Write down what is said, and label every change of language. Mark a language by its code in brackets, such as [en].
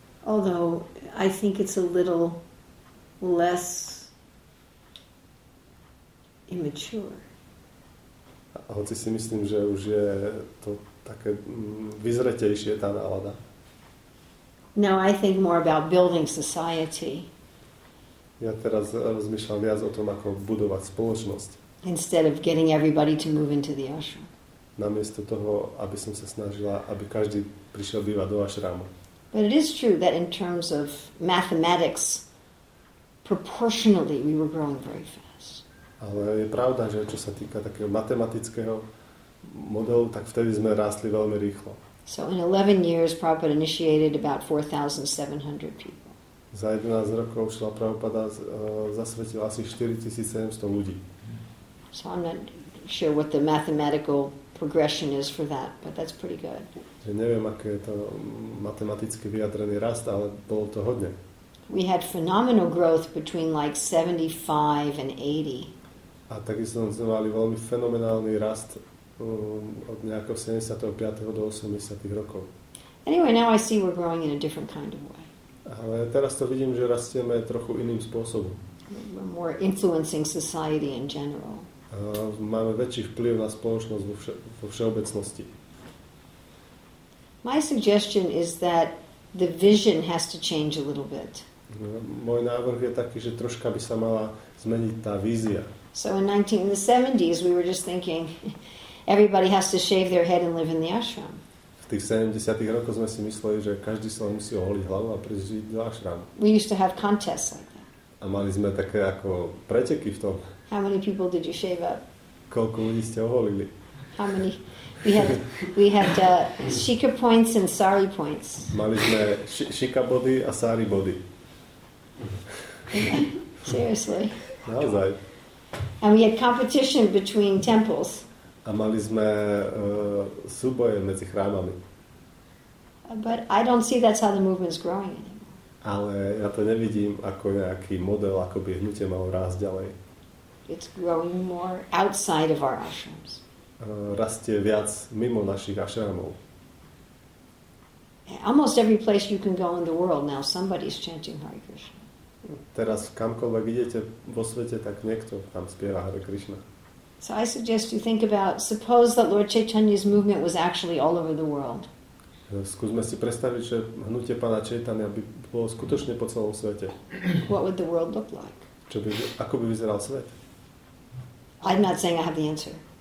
[en] Although I think it's a little less immature. [sk] Hoci si myslím, že už je to také vyzretejšie tá nálada. [en] No, I think more about building society. [sk] Ja teraz rozmýšľam viac o tom, ako budovať spoločnosť. [en] Instead of getting everybody to move into the ashram. [sk] Namiesto toho, aby som sa snažila, aby každý prišiel bývať do ašramu. [en] But it is true that in terms of mathematics, proportionally we were growing very fast. [sk] Ale je pravda, že čo sa týka takého matematického modelu, tak vtedy sme rástli veľmi rýchlo. [en] So in 11 years, Prabhupada initiated about 4,700 people. [sk] Za 11 rokov Šrila Prabhupada zasvetil asi 4,700 ľudí. [en] So I'm not sure what the mathematical progression is for that, but that's pretty good. [sk] Ja neviem, aké je to matematicky vyjadrený rast, ale bolo to hodne. [en] We had phenomenal growth between like 75 and 80. [sk] A takisto sme mali veľmi fenomenálny rast od nejakého 75. do 80. rokov. [en] Anyway, now I see we're growing in a different kind of way. [sk] Ale teraz to vidím, že rastieme trochu iným spôsobom. [en] We're more influencing society in general. [sk] Máme väčší vplyv na spoločnosť vo všeobecnosti. [en] My suggestion is that the vision has to change a little bit. [sk] Môj návrh je taký, že troška by sa mala zmeniť tá vízia. [en] So in the 70s we were just thinking everybody has to shave their head and live in the ashram. [sk] V tých 70-tých rokoch sme si mysleli, že každý sa musí oholiť hlavu a prísť žiť do ašramu. [en] We used to have contests like that. [sk] A mali sme také ako preteky v tom. [en] How many people did you shave up? [sk] Koľko ľudí ste oholili? [en] How many? We had shika points and sari points. [sk] Mali sme shika body a sari body. [en] Seriously. [sk] Naozaj. [en] And we had competition between temples. [sk] A mali sme súboje medzi chrámami. [en] But I don't see that's how the movement's growing anymore. [sk] Ale ja to nevidím ako nejaký model, ako by hnutie malo rásť ďalej. [en] It's growing more outside of our ashrams. [sk] Rastie viac mimo našich ashramov. [en] Almost every place you can go in the world now somebody's chanting Hare Krishna. [sk] Teraz kamkoľvek idete vo svete, tak niekto tam spieva Hare Krishna. [en] So I suggest you think about, suppose that Lord Chaitanya's movement was actually all over the world. [sk] Skúsme si predstaviť, že hnutie pána Chaitanya by bolo skutočne po celom svete. [en] What would the world look like? [sk] Ako by vyzeral svet? [en] I'm not saying I have the answer.